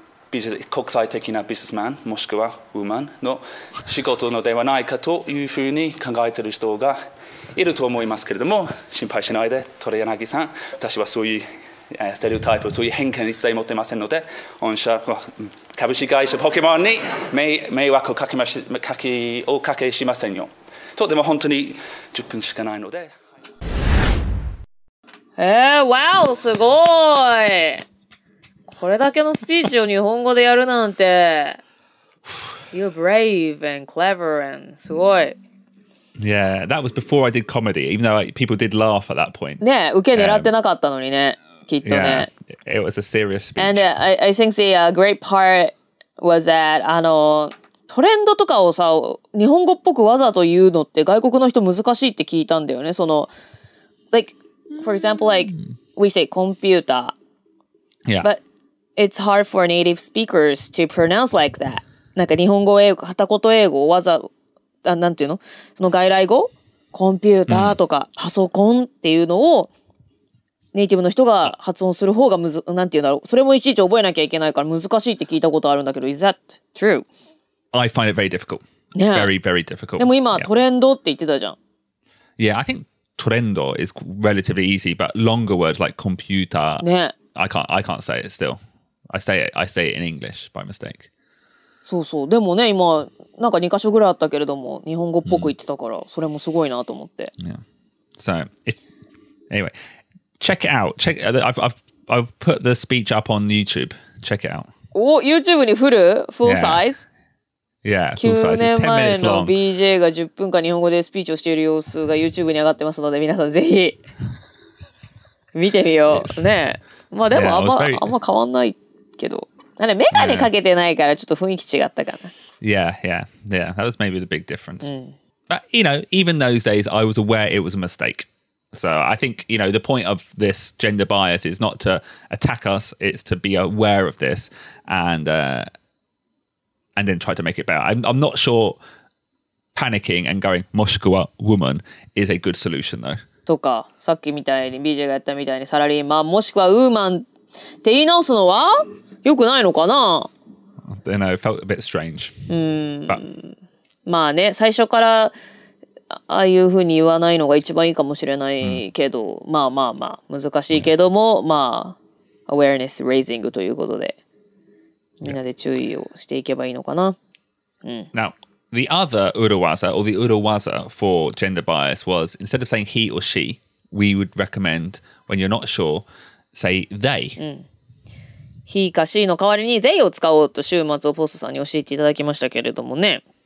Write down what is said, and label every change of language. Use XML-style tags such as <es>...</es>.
<ja>国際的なビジネスマンもしくはウーマンの仕事のではないかというふうに考えている人がいると思いますけれども、心配しないで、トレヤナギさん、私はそういうステレオタイプ、そういう偏見一切持ってませんので、御社、株式会社ポケモンに迷惑をおかけしませんよ。とても本当に10分しかないので。わお、すごい。これだけのスピーチを日本語でやるなんて。</ja> <en>You're brave and clever and</en> <ja>すごい。</ja> <en>Yeah, that was before I did comedy, even though people did laugh at that point.</en> <ja>ね、受け狙ってなかったのにね。</ja> <en>Yeah, it was a serious speech. And I think the great part was that,</en> <ja>トレンドとかをさ、日本語っぽくわざと言うのって外国の人難しいって聞いたんだよね。</ja> <en>その、like, for example, like, we say computer. Yeah. But it's hard for native speakers to pronounce like that.</en> <ja>なんか日本語英語、片言英語をわざ、あ、なんていうの?その外来語? コンピューターとかパソコンっていうのを、ネイティブの人が発音する方がむず、なんていうんだろう。それもいちいち覚えなきゃいけないから難しいって聞いたことあるんだけど、</ja> <en>is that true? I find it very difficult. Yeah. Very, very difficult.</en> <ja>でも今、トレンドって言ってたじゃん。</ja> <en>Yeah, I think トレンド is relatively easy, but longer words like computer,、</en> <ja>ね、</ja> <en>I can't say it still. I say it in English by mistake.</en> <ja>そうそう。でもね、今、なんか2カ所ぐらいあったけれども、日本語っぽく言ってたから、それもすごいなと思って。</ja> <en>Yeah. So, anyway. Check it out. I've put the speech up on YouTube. Check it out. Oh, YouTube</en> <ja>にフル?</ja> <en>Full size? Yeah, full size. It's 10 minutes long.</en> <ja>9年前の BJ が10分間日本語でスピーチをしている様子が YouTube に上がってますので皆さんぜひ見てみよう。ね。まあでもあんま変わんないけど。あれ、メガネかけてないからちょっと雰囲気違ったかな。</ja> <en>Yeah, yeah, yeah. That was maybe the big difference. But, you know, even those days, I was aware it was a mistake. So I think, you know, the point of this gender bias is not to attack us, it's to be aware of this and then try to make it better. I'm not sure panicking and going, moshikuwa woman, is a good solution though.</en> <ja>とか、さっきみたいに BJ がやったみたいにサラリーマン、もしくはウーマンって言い直すのは良くないのかな?</ja> <en>I don't know, it felt a bit strange.</en> <ja>まあね、最初からああいう風に言わないのが一番いいかもしれないけど、まあまあまあ、難しいけども、まあ、awareness raising ということで、みんなで注意をしていけばいいのかな。</ja> <en>Now,The other uruwaza, or the uruwaza for gender bias was, instead of saying he or she, we would recommend, when you're not sure, say they.</en> <ja>He か she の代わりに they を使おうと週末をポストさんに教えていただきましたけれどもね。</ja>